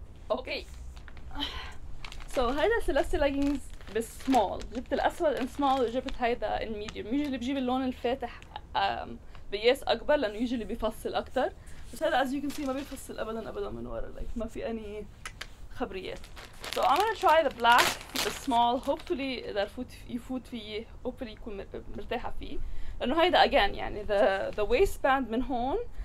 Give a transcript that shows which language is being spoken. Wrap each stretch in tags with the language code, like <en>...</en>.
<en>Okay. So</en> <ar>هيدا ثلاثة</ar> <en>leggings</en> <ar>بس</ar> <en>small.</en> <ar>جبت الأسود</ar> <en>in small</en> <ar>وجبت هيدا</ar> <en>in medium. Usually</en> <ar>بجيب اللون الفاتح بياس أكبر لأنه</ar> <en>usually</en> <ar>بيفصل أكتر. بس هيدا</ar> <en>as you can see</en> <ar>ما بيفصل أبدا من ورا.</ar> <en>Like</en> <ar>ما في أي خبريات.</ar> <en>So I'm gonna try the black the small. Hopefully</en> <ar>إذا يفوت فيه</ar> <en>hopefully</en> <ar>يكون مرتاحة فيه. لأنه هيدا</ar> <en>again</en> <ar>يعني</ar> <en>the waistband</en> <ar>من هون.</ar>